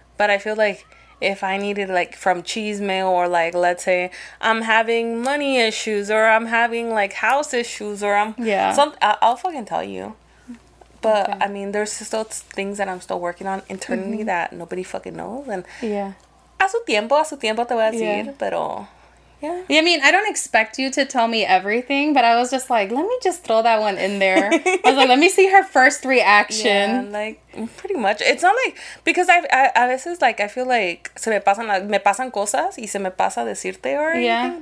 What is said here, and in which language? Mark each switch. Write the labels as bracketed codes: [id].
[en] But I feel like if I needed, like, from chisme, or, like, let's say I'm having money issues, or I'm having, like, house issues, or I'm... Yeah. I'll fucking tell you. But, okay. I mean, there's still things that I'm still working on internally that nobody fucking knows. And yeah. [es] A su tiempo te voy a decir, pero... [en] Yeah. I mean, I don't expect you to tell me everything, but I was just like, let me just throw that one in there. I was like, let me see her first reaction. Yeah, like, pretty much. It's not like... Because I veces, like, I feel like [es] se me pasan cosas y se me pasa decirte [en] or anything. Yeah.